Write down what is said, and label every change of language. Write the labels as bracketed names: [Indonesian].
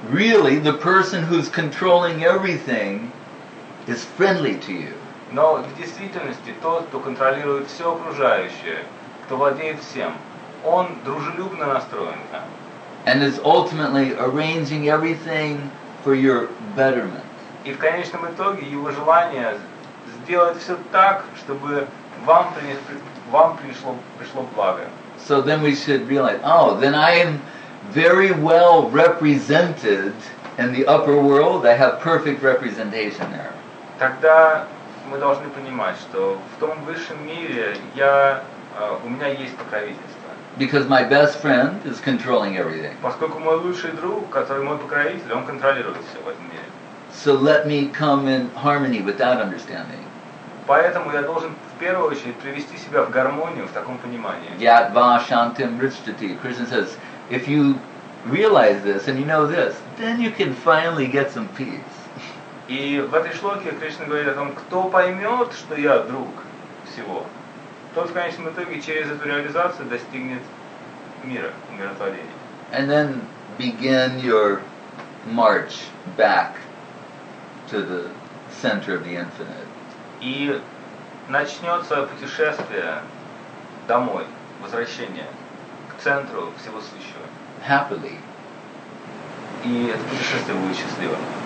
[English] Really, the person who's controlling everything is friendly to you. [Russian] Но в действительности тот, кто контролирует все окружающее, кто владеет всем, он дружелюбно настроен к нам. [English] And is ultimately arranging everything for your betterment. [Russian] И в конечном итоге его желание сделать все так, чтобы вам пришло благо. [English] So then we should realize, oh, then I am very well represented in the upper world. I have perfect representation there. [Russian] Тогда мы должны понимать, что в том высшем мире у меня есть покровительство. [English] Because my best friend is controlling everything. [Russian] Поскольку мой лучший друг, который мой покровитель, он контролирует все в этом мире. [English] So let me come in harmony with that understanding. [Russian] Поэтому я должен в первую очередь привести себя в гармонию в таком понимании. [Sanskrit] Yadva shantim richtati. [English] Krishna says, if you realize this and you know this, then you can finally get some peace. [Russian] И в этой шлоке Кришна говорит о том, кто поймет, что я друг всего, тот в конечном итоге через эту реализацию достигнет мира, умиротворения. [English] And then begin your march back to the center of the infinite. [Russian] И начнется путешествие домой, возвращение к центру всего сущего. [English] Happily. [Russian] И это путешествие будет счастливым.